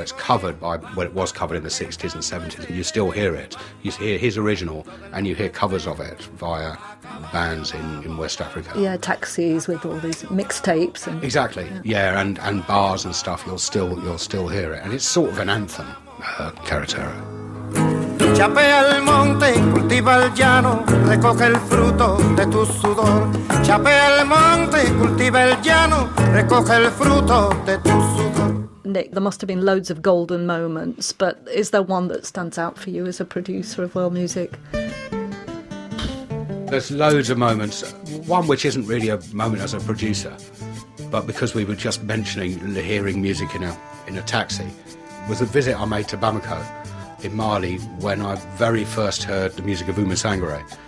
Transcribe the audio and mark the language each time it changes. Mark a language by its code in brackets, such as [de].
[en] It's covered by, well, it was covered in the 60s and 70s, and you still hear it. You hear his original, and you hear covers of it via bands in West Africa. Yeah, taxis with all these mixtapes. Exactly, yeah, and bars and stuff, you'll still hear it. And it's sort of an anthem, Carretero. [es] Chapea el monte, cultiva el llano, recoge el fruto de tu sudor. Chapea el monte, cultiva el llano, recoge el fruto de tu sudor. [en] Nick, there must have been loads of golden moments, but is there one that stands out for you as a producer of world music? There's loads of moments. One which isn't really a moment as a producer, but because we were just mentioning hearing music in a taxi, was a visit I made to Bamako in Mali when I very first heard the music of Uma Sangare.